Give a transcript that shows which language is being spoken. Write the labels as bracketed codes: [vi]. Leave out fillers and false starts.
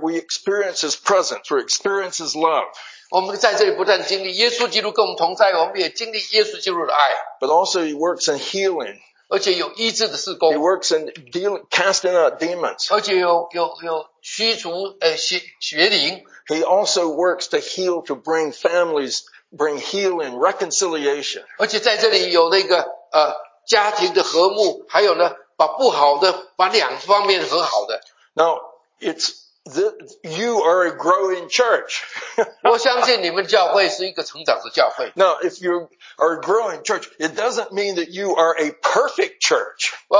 [en] we experience His presence, where we experience His love. [zh] 我们在这里不但经历耶稣基督跟我们同在，我们也经历耶稣基督的爱。 [en] But also He works in healing. [zh] 而且有医治的事工。 [en] He works in dealing, casting out demons. [zh] 而且有驱逐邪灵。 [en] He also works to heal, to bring families, bring healing, reconciliation. [zh] 而且在这里有那个家庭的和睦，还有呢。把不好的，把两方面和好的。 [en] Now it's you are a growing church. [zh] 我相信你们教会是一个成长的教会。 [en] Now if you are a growing church, it doesn't mean that you are a perfect church.